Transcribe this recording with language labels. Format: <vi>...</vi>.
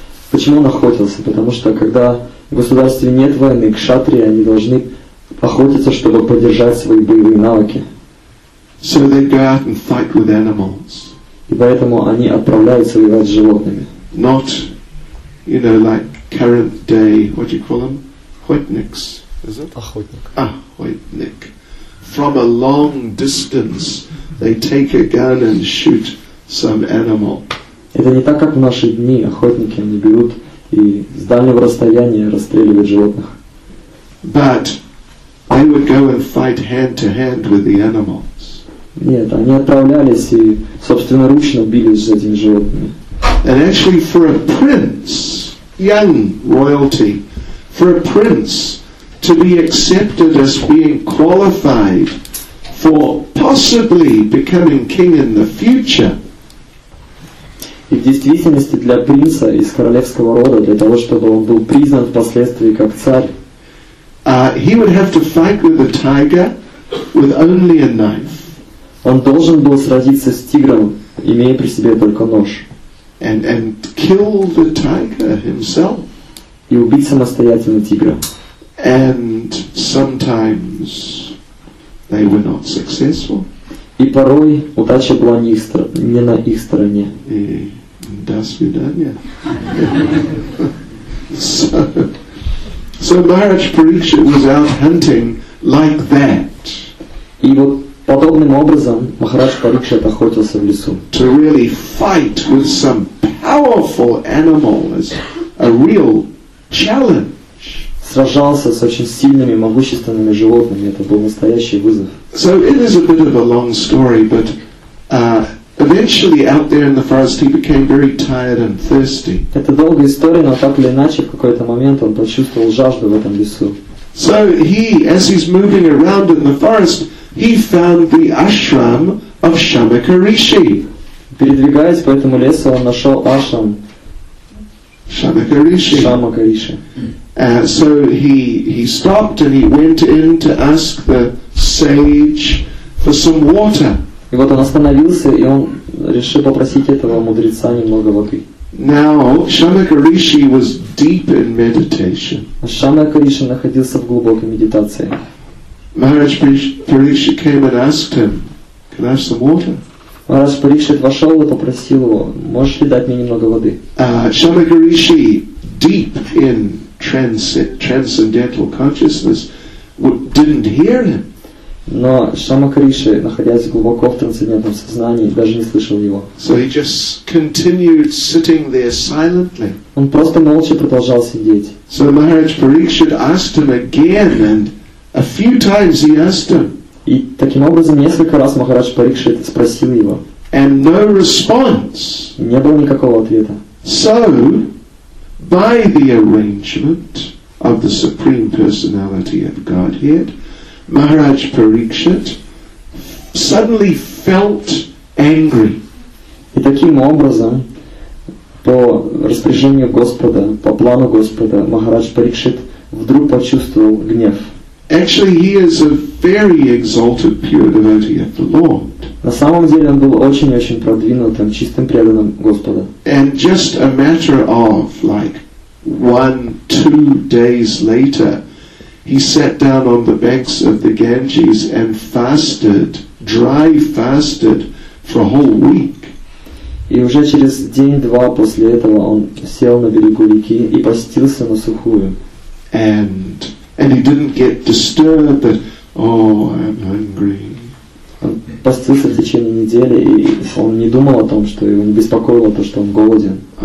<ru>Почему он охотился? Потому что когда в государстве нет войны, кшатрии, они должны охотиться, чтобы поддержать свои боевые навыки.</ru> <en>So they go out and fight with animals.</en> <ru>И поэтому они отправляются воевать с животными.</ru> <en>Not, you know, like current day, what do you call them?</en> <ru>Охотникс.</ru> <en>Is it?</en> <ru>Охотник. Охотник.</ru> <en>From a long distance, they take a gun and shoot some animal.</en> <ru>Это не так, как в наши дни. Охотники, они берут и с дальнего расстояния расстреливают животных.</ru> <en>But they would go and fight hand to hand with the animals.</en> <ru>Нет, они отправлялись и собственноручно бились с этими животными.</ru> <en>And actually for a prince, young royalty, for a prince to be accepted as being qualified for possibly becoming king in the future,</en> <ru>и в действительности для принца из королевского рода, для того, чтобы он был признан впоследствии как царь,</ru> <en>he would have to fight with a tiger with only a knife.</en> <ru>Он должен был сразиться с тигром, имея при себе только нож.</ru> <en>And kill the tiger himself.</en> <ru>И убить самостоятельно тигра.</ru> <en>And sometimes they were not successful.</en> <ru>И порой удача была не, не на их стороне. И до свидания.</ru> <en>So Maharaj Parikshit was out hunting like that.</en> <ru>И вот подобным образом Махарадж Парикшит охотился в лесу.</ru> <en>To really fight with some powerful animal is a real challenge.</en> <ru>Сражался с очень сильными, могущественными животными. Это был настоящий вызов.</ru> <en>So it is a bit of a long story, but eventually out there in the forest he became very tired and thirsty.</en> <ru>Это долгая история, но так или иначе в какой-то момент он почувствовал жажду в этом лесу.</ru> <en>So he, as he's moving around in the forest, he found the ashram of Shamaka Rishi.</en> <ru>Передвигаясь по этому лесу, он нашел ашрам Shamaka Rishi. Shamaka Rishi.</ru> <en>So he stopped and he went in to ask the sage for some water.</en> <ru>И вот он остановился, и он решил попросить этого мудреца немного воды.</ru> <en>Now Shamaka Rishi was deep in meditation.</en> <ru>Shamaka Rishi находился в глубокой медитации.</ru> <en>Maharaj Parikshit came and asked him, "Can I have some water?"</en> <ru>Maharaj Parikshit вошел и попросил его, "Можешь ли дать мне немного воды?"</ru> <en>Shamaka Rishi, deep in transcendental consciousness, didn't hear him.</en> <ru>Но Шамака Риши, находясь глубоко в трансцендентном сознании, даже не слышал его.</ru> <en>So he just continued sitting there silently.</en> <ru>Он просто молча продолжал сидеть.</ru> <en>So Maharaj Parikshit asked him again, and a few times he asked him.</en> <ru>И таким образом несколько раз Махарадж Парикшит спросил его.</ru> <en>And no response.</en> <ru>Не было никакого ответа.</ru> <en>So by the arrangement of the Supreme Personality of Godhead, Maharaj Parikshit suddenly felt angry.</en> <ru>И таким образом, по распоряжению Господа, по плану Господа, Махарадж Парикшит вдруг почувствовал гнев.</ru> <en>Actually, he is a very exalted pure devotee of the Lord.</en> <ru>На самом деле он был очень-очень продвинутым, чистым преданным Господа.</ru> <en>And just a matter of like one, 2 days later, he sat down on the banks of the Ganges and fasted, dry fasted, for a whole week.</en> <ru>И уже через день-два после этого он сел на берегу реки и постился на сухую.</ru> <en>And he didn't get disturbed, but, oh, I'm hungry.</en> <ru>Он постился в течение недели, и он не думал о том, что его не беспокоило то, что он голоден.</ru>